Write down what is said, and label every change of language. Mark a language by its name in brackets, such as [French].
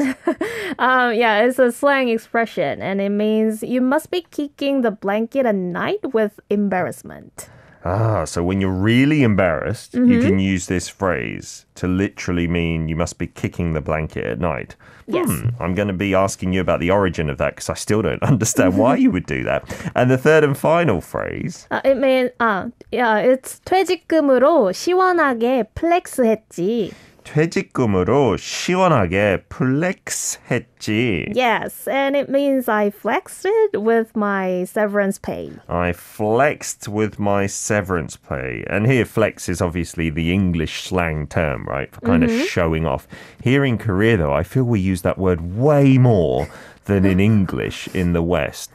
[English] It's a slang expression, and it means you must be kicking the blanket at night with embarrassment. Ah, so when you're really embarrassed, you can use this phrase to literally mean you must be kicking the blanket at night. Yes. I'm going to be asking you about the origin of that because I still don't understand why you would do that. And the third and final phrase. [Korean] It's 퇴직금으로 시원하게 플렉스 했지. 퇴직금으로 시원하게 플렉스 했지. [English] Yes, and it means I flexed it with my severance pay. I flexed with my severance pay. And here, flex is obviously the English slang term, right? For kind mm-hmm. of showing off. Here in Korea, though, I feel we use that word way more than in English in the West.